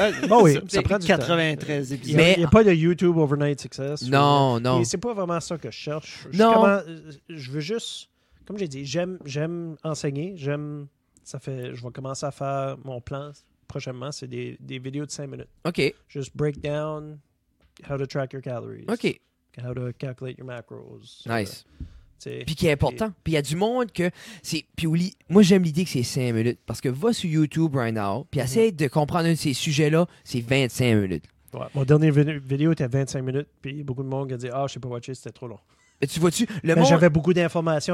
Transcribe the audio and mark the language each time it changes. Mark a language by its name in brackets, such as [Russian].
[French] Bon oui, ça prend du 93 temps. Épisodes. Mais il n'y a pas de YouTube Overnight Success. Non. Et c'est pas vraiment ça que je cherche. Non. Je veux juste, comme j'ai dit, j'aime enseigner. J'aime, ça fait, je vais commencer à faire mon plan prochainement. C'est des vidéos de 5 minutes. OK. Juste [English] break down how to track your calories. [French] OK. [English] How to calculate your macros. [French] Nice. Puis qui est important. Puis il y a du monde que... Puis Oli, moi, j'aime l'idée que c'est 5 minutes. Parce que va sur YouTube [English] right now, [French] puis essaye de comprendre un de ces sujets-là, c'est 25 minutes. Ouais. Mon dernier vidéo était 25 minutes, puis beaucoup de monde a dit « Ah, je sais pas watcher, c'était trop long. » Mais tu vois-tu, le monde... j'avais beaucoup d'informations